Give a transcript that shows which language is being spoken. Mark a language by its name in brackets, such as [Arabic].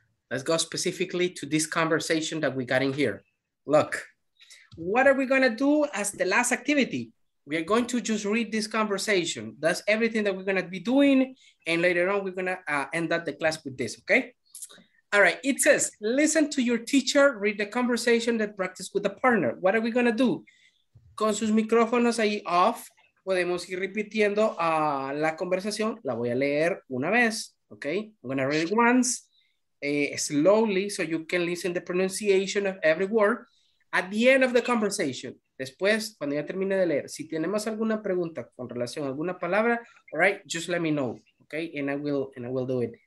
[English] Let's go specifically to this conversation that we got in here. Look, what are we going to do as the last activity? we are going to just read this conversation. That's everything that we're going to be doing. And later on, we're going to end up the class with this, okay? All right, it says, listen to your teacher, read the conversation, then practice with the partner. What are we going to do? [Spanish] Con sus micrófonos ahí off, podemos ir repitiendo la conversación. La voy a leer una vez, okay? [English] I'm going to read it once, slowly, so you can listen to the pronunciation of every word. At the end of the conversation, [Spanish] después, cuando ya termine de leer, si tenemos alguna pregunta con relación a alguna palabra, [English] all right, just let me know, okay? And I will do it.